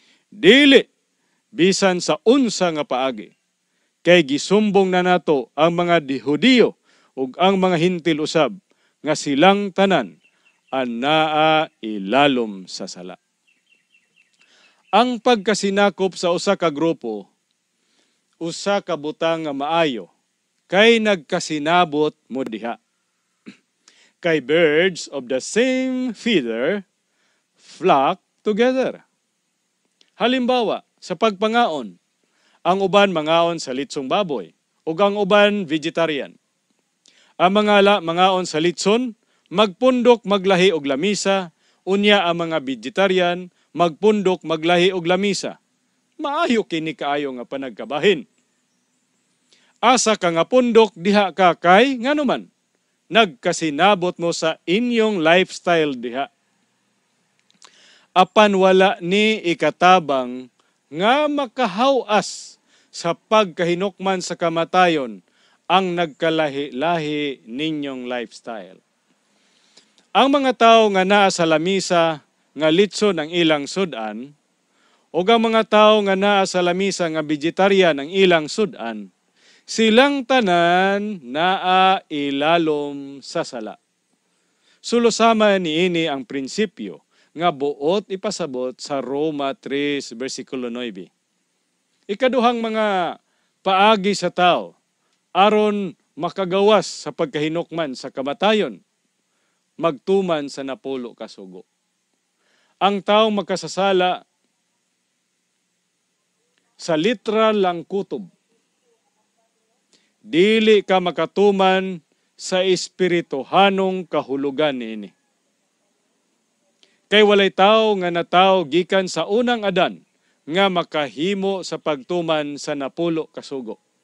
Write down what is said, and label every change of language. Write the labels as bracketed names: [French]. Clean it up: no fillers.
[Cebuano] Dili, bisan sa unsa nga paagi, kay gisumbong na nato ang mga Hudiyo o ang mga Hintil usab nga silang tanan anaa ilalom sa sala. Ang pagkasinakop sa usa ka grupo, usa ka butang nga maayo, kay nagkasinabot mo diha. [English] Kay birds of the same feather flock together. [Cebuano] Halimbawa, sa pagpangaon, ang uban mangaon sa litsong baboy, o ang uban vegetarian. Ang mga ala mangaon sa litson, magpundok, maglahi og lamisa, unya ang mga vegetarian, magpundok, maglahi og lamisa. Maayo kini kaayo nga panagkabahin. Asa ka nga pundok, diha ka kay ngano man? Nagkasinabot mo sa inyong lifestyle diha. Apan wala ni ikatabang nga makahawas sa pagkahinukman sa kamatayon ang nagkalahi-lahi ninyong lifestyle. Ang mga tao nga naa sa lamisa nga litson ang ilang sudan, o ang mga tao nga naa sa lamisa nga vegetarian ang ilang sudan, silang tanan naa ilalom sa sala. Sulusama niini ang prinsipyo nga buot ipasabot sa Roma 3 versikulo 9. Ikaduhang mga paagi sa tao aron makagawas sa pagkahinukman sa kamatayon, magtuman sa napulo kasugo. Ang tao magkasasala sa literal lang kutob. Dili ka makatuman sa espirituhanong kahulugan niini. Kay walay tao nga natao gikan sa unang Adan nga makahimo sa pagtuman sa napulo kasugo.